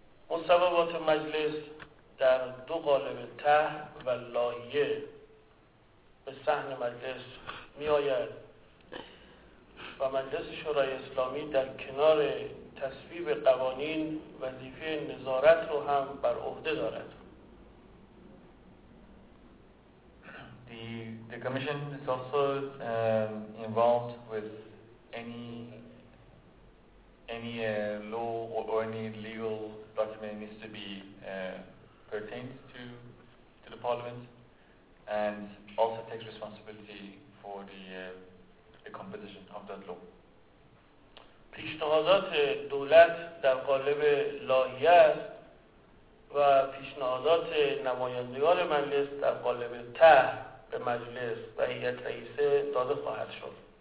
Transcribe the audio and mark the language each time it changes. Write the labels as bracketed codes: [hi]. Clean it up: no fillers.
[fa] مصوبات مجلس در دو قالب طرح و لایحه به صحن مجلس می آید و مجلس شورای اسلامی در کنار تصویب قوانین وظیفه نظارت رو هم بر عهده دارد. [en] The commission is also involved with any law or any legal document needs to be pertained to the parliament, and also takes responsibility for the composition of that law. [fa] پیشنهادات دولت در قالب لایحه است و پیشنهادات نمایندگان مجلس در قالب طرح به مجلس و هیئت رئیسه داده خواهد شد.